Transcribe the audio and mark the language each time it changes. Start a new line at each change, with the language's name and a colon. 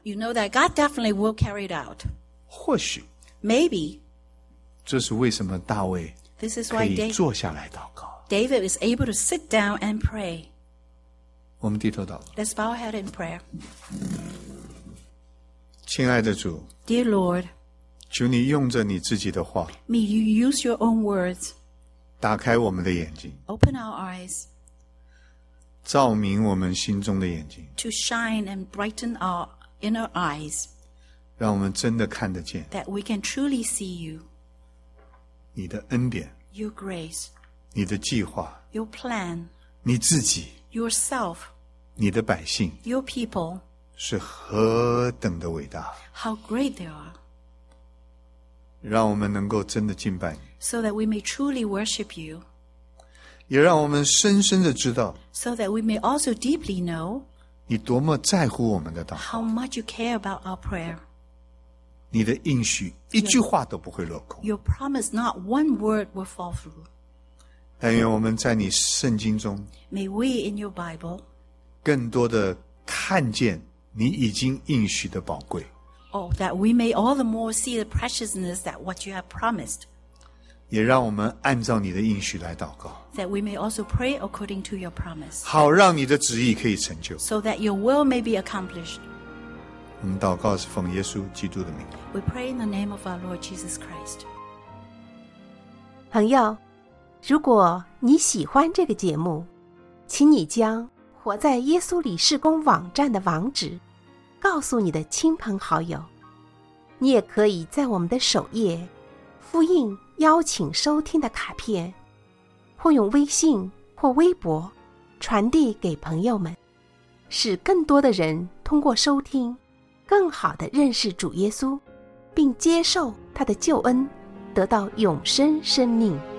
English: You know that God definitely will carry it out.
Chinese: 或许。
English: Maybe.
Chinese: 这是为什么大卫可以坐下来祷告。
English: David is able to sit down and pray.
Chinese: 我们低头祷告。
English: Let's bow our head in prayer.
Chinese: 亲爱的主。
English: Dear Lord.
Chinese: 求你用着你自己的话
English: May you use your own words
Chinese: 打开我们的眼睛
English: Open our eyes
Chinese: 照明我们心中的眼睛
English: To shine and brighten our inner eyes
Chinese: 让我们真的看得见
English: That we can truly see you
Chinese: 你的恩典
English: Your grace
Chinese: 你的计划
English: Your plan
Chinese: 你自己
English: Yourself
Chinese: 你的百姓
English: Your people
Chinese: 是何等的伟大
English: How great they are
Chinese: 让我们能够真的敬拜你
English: So that we may truly worship you
Chinese: 也让我们深深的知道
English: So that we may also deeply know
Chinese: 你多么在乎我们的祷告。
English: How much you care about our prayer.
Chinese: 你的应许一句话都不会落空。
English: Your promise, not one word will fall through.
Chinese: 但愿我们在你圣经中
English: May we in your Bible
Chinese: 更多的看见你已经应许的宝贵。
English: Oh, that we may all the more see the preciousness that what you have promised.
Chinese: 也让我们按照你的应许来祷告。
English: That we may also pray according to your promise.
Chinese: 好让你的旨意可以成就。
English: So that your will may be accomplished.
Chinese: 我们祷告是奉耶稣基督的名。
English: We pray in the name of our Lord Jesus Christ.
Chinese: 朋友，如果你喜欢这个节目，请你将活在耶稣里事工网站的网址告诉你的亲朋好友，你也可以在我们的首页复印邀请收听的卡片，或用微信或微博传递给朋友们，使更多的人通过收听更好地认识主耶稣，并接受他的救恩，得到永生生命。